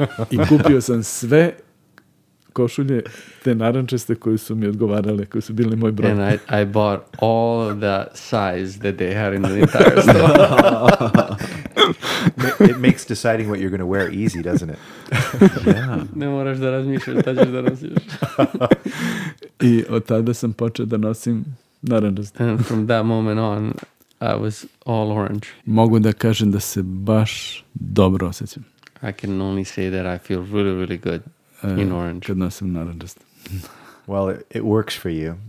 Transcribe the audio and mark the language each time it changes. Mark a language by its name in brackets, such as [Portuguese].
[Serbian] I kupio sam sve košulje, te narančaste koje su mi odgovarale, koje su bile moj broj. [English] And I bought all of the size that they had in the entire store. It makes deciding what you're going to wear easy, doesn't it? [Serbian] Ne moraš da razmišljaš, šta ćeš da nosiš. I od tada sam počeo da nosim narančaste. [English] And from that moment on, I was all orange. [Serbian] Mogu da kažem da se baš dobro osjećam. [English] I can only say that I feel really, really good in orange. [Serbian] Kad nosim narančaste. [English] Well, it works for you.